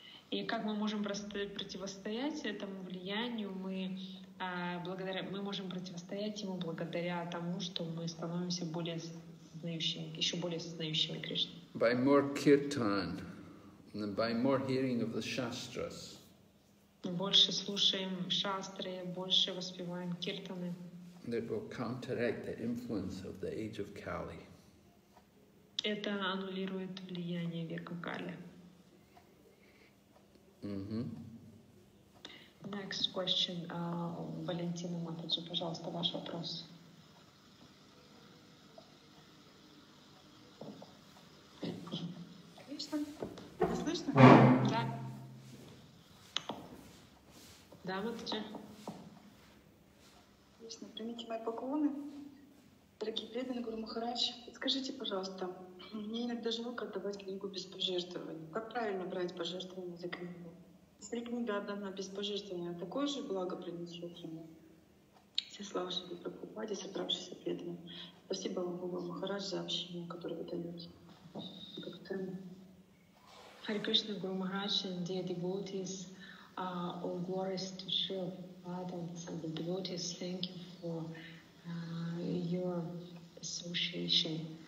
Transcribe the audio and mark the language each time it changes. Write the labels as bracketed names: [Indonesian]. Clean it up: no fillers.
[Russian] И как мы можем противостоять этому влиянию, мы можем противостоять ему благодаря тому, что мы становимся более сознающими, еще более сознающими Кришны. [English] By more kirtan, by more hearing of the shastras. [Russian] Больше слушаем шастры, больше воспеваем киртаны. [English] That will counteract the influence of the age of Kali. [Russian] Это аннулирует влияние века Кали. Mm-hmm. [English] Next question, Valentina Mataji, [Russian] пожалуйста, ваш вопрос. Конечно. Не слышно? Да. Да, Mataji. Конечно, примите мои поклоны. Дорогие преданные, Гуру Махарадж, подскажите, пожалуйста, мне иногда жалко отдавать книгу без пожертвований. Как правильно брать пожертвования за книгу? Если книга отдана без пожертвования, такое же благо принесет ему. Все слава Шри Прабхупаде, собравшиеся преданные. Спасибо вам, Гуру Махарадж, за общение, которое вы даете. [English] Hare Krishna, Guru Maharaj, and dear devotees, all glories to Shri Prabhupada and the devotees, thank you for your association.